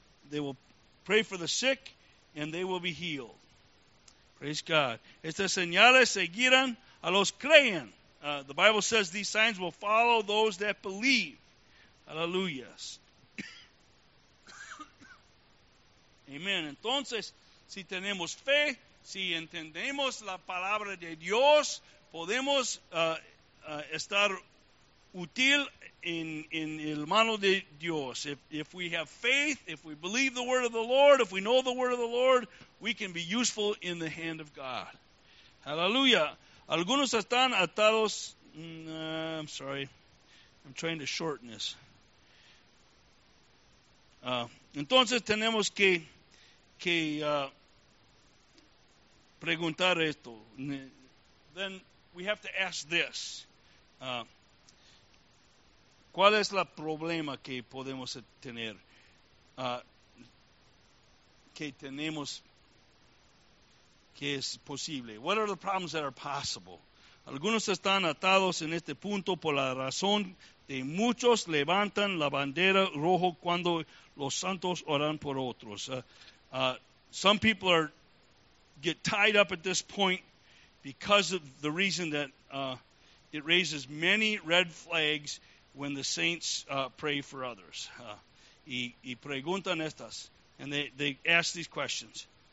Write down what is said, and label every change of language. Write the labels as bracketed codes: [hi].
[en] They will pray for the sick, and they will be healed. Praise God. [es] Estas señales seguirán a los creen. [en] The Bible says these signs will follow those that believe. Hallelujah. Amen. [es] Entonces, si tenemos fe, si entendemos la palabra de Dios, podemos estar útil en el mano de Dios. [en] If we have faith, if we believe the word of the Lord, if we know the word of the Lord, we can be useful in the hand of God. [es] Hallelujah. Algunos están atados. [en] I'm sorry. I'm trying to shorten this. [es] Entonces tenemos que preguntar esto. [en] Then we have to ask this. [es] ¿Cuál es el problema que podemos tener? Que tenemos que es posible. [en] What are the problems that are possible? [es] Algunos están atados en este punto por la razón de muchos levantan la bandera rojo cuando los santos oran por otros. [en] Some people get tied up at this point because of the reason that it raises many red flags when the saints pray for others. [es] Y preguntan estas, [en] and they ask these questions.